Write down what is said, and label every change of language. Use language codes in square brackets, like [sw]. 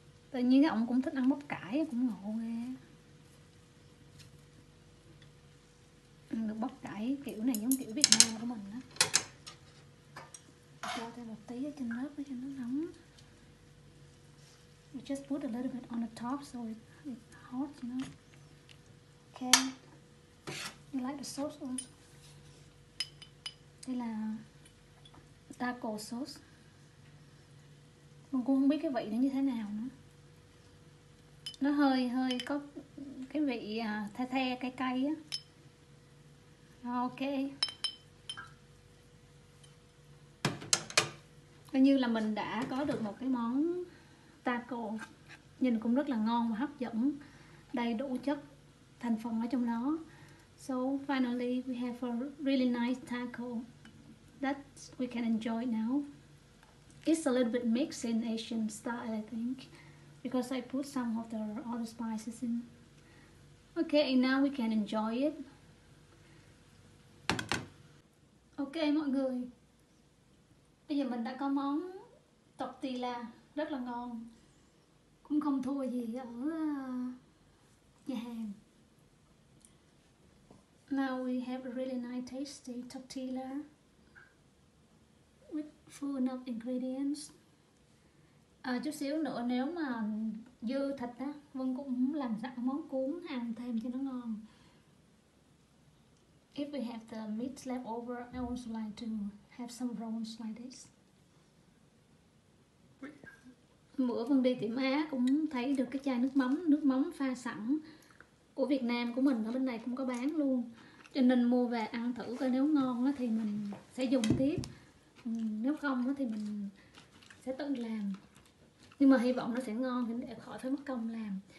[vi] Tự nhiên cái ông cũng thích ăn bắp cải cũng ngộ ghê. Ăn được bắp cải kiểu này giống kiểu Việt Nam của mình á. Cho thêm một tí ở trên lớp để cho nó nóng. [en] We just put a little bit on the top so it's hot, you know. Okay. You like the sauce also? [vi] Đây là taco sauce. Mình cũng không biết cái vị nó như thế nào nữa. Nó hơi hơi có cái vị the the cái cay á. Ok. Coi như là mình đã có được một cái món taco. Nhìn cũng rất là ngon và hấp dẫn. Đầy đủ chất thành phần ở trong nó. [en] So finally we have a really nice taco that we can enjoy now. It's a little bit mixed in Asian style, I think, because I put some of the other spices in. Okay, now we can enjoy it. [vi] Okay, mọi người. Bây giờ mình đã có món tortilla rất là ngon. Cũng không thua gì ở nhà hàng. [en] Now we have a really nice tasty tortilla. Full enough ingredients. [vi] Chút xíu nữa nếu mà dư thịt á, Vân cũng làm sẵn món cuốn ăn thêm cho nó ngon. [en] If we have the meat left over, I also like to have some rolls like this. [vi] Bữa Vân đi tiệm Á cũng thấy được cái chai nước mắm pha sẵn của Việt Nam của mình ở bên này cũng có bán luôn. Cho nên mua về ăn thử coi nếu ngon á thì mình sẽ dùng tiếp. Nếu không thì mình sẽ tự làm. Nhưng mà hy vọng nó sẽ ngon thì để khỏi phải mất công làm.